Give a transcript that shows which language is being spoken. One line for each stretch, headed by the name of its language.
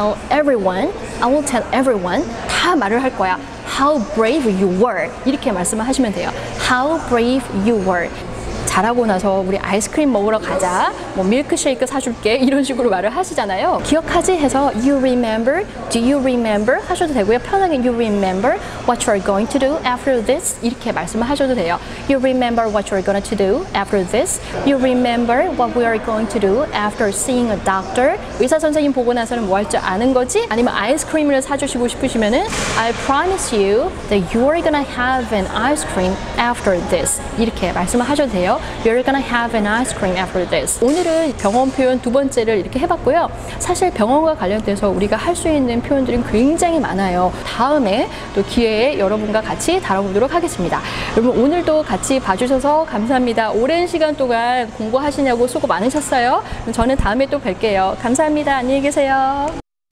English: I will tell everyone.
Korean: 다 말을 할 거야.
English: How brave you were.
Korean: 이렇게 말씀을 하시면 돼요.
English: How brave you were.
Korean: 자라고 나서 우리 아이스크림 먹으러 가자. 뭐 밀크쉐이크 사줄게. 이런 식으로 말을 하시잖아요. 기억하지? 해서
English: You remember? Do you remember?
Korean: 하셔도 되고요. 편하게
English: You remember what you're going to do after this?
Korean: 이렇게 말씀을 하셔도 돼요.
English: You remember what you're going to do after this? You remember what we are going to do after seeing a doctor?
Korean: 의사 선생님 보고 나서는 뭐 할 줄 아는 거지? 아니면 아이스크림을 사주시고 싶으시면은
English: I promise you that you're going to have an ice cream after this.
Korean: 이렇게 말씀을 하셔도 돼요.
English: You're gonna have an ice cream after this.
Korean: 오늘은 병원 표현 두 번째를 이렇게 해봤고요. 사실 병원과 관련돼서 우리가 할 수 있는 표현들은 굉장히 많아요. 다음에 또 기회에 여러분과 같이 다뤄보도록 하겠습니다. 여러분 오늘도 같이 봐주셔서 감사합니다. 오랜 시간 동안 공부하시냐고 수고 많으셨어요. 저는 다음에 또 뵐게요. 감사합니다. 안녕히 계세요.